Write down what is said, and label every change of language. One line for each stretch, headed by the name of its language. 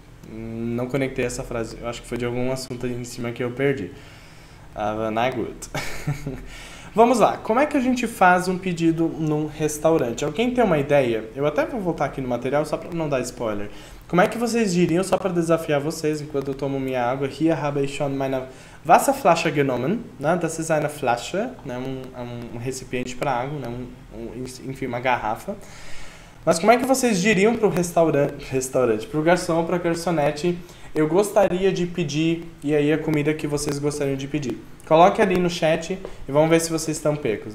Portuguese: Não conectei essa frase. Eu acho que foi de algum assunto ali em cima que eu perdi. Ah, na good. Vamos lá. Como é que a gente faz um pedido num restaurante? Alguém tem uma ideia? Eu até vou voltar aqui no material só para não dar spoiler. Como é que vocês diriam, só para desafiar vocês, enquanto eu tomo minha água?
German: Hier habe ich schon meine Wasserflasche genommen. Né? Das ist eine Flasche. Né?
Portuguese: Um recipiente para água. Né? Enfim, uma garrafa. Mas como é que vocês diriam para o restaurante, para o garçom ou para a garçonete, eu gostaria de pedir, e aí a comida que vocês gostariam de pedir? Coloque ali no chat e vamos ver se vocês estão pecos.